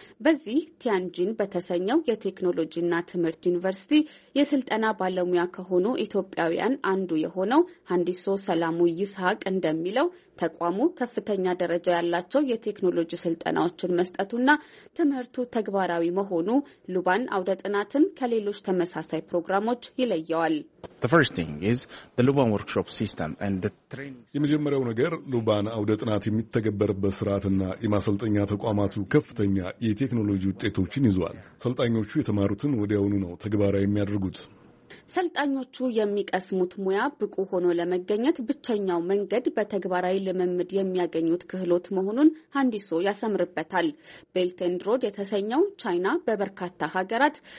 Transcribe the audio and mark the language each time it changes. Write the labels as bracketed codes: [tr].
[am] በዚህ ቲያንጂን በተሰኘው የቴክኖሎጂና ትምህርት ዩኒቨርሲቲ የስልጠና ባለሙያ ከሆኑ ኢትዮጵያውያን አንዱ የሆነው ሃንዲሶ ሰላሙ ይስሐቅ እንደሚለው ተቋሙ ከፍተኛ ደረጃ ያላቸው የቴክኖሎጂ ስልጠናዎችን መስጠቱና ትምህርቱ ተግባራዊ መሆኑ ሉባን አውደ ጥናትን ከሌሎች ተመሳሳይ ፕሮግራሞች ይለየዋል። [en] The first thing is the Luban workshop system and the training. [am] የመጀመሪያው ነገር ሉባን አውደ ጥናት የሚተገበርበት ስርዓትና የማሰልጠኛ ተቋማቱ ከፍተኛ የቴክኖሎጂ ውጤቶችን ይዟል። ሰልጣኞቹ የተማሩትን ወዲያውኑ ነው ተግባራዊ የሚያደርጉት። ሰልጣኞቹ የሚቀስሙት ሙያ ብቁ ሆኖ ለመገኘት ብቻኛው መንገድ በተግባራዊ ለመምድ የሚያገኙት ክህሎት መሆኑን ሃንዲሶ ያሰምርበታል። ቤልት ኤንድ ሮድ የተሰኘው ቻይና በበርካታ ሀገራት